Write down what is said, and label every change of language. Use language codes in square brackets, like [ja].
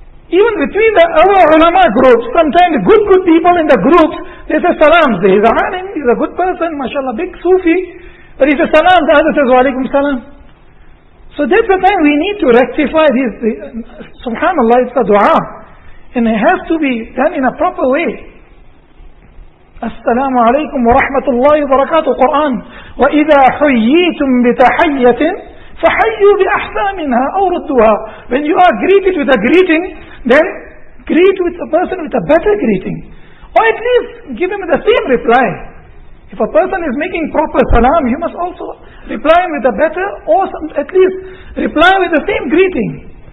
[en] Even between the other ulama groups, sometimes good people in the groups, they say salam, he is a alim, he is a good person, mashallah, big Sufi, but he says salam, the other says walaikum salam. So that's the time we need to rectify this. Subhanallah, it's a dua, and it has to be done in a proper way. [ar] السلام عليكم ورحمة الله وبركاته قرآن وإذا حييتم بتحية فحيوا بأحسنها أو ردوها. [en] When you are greeted with a greeting, then greet with a person with a better greeting, or at least give him the same reply. If a person is making proper salam, you must also reply with a better, or at least reply with the same greeting.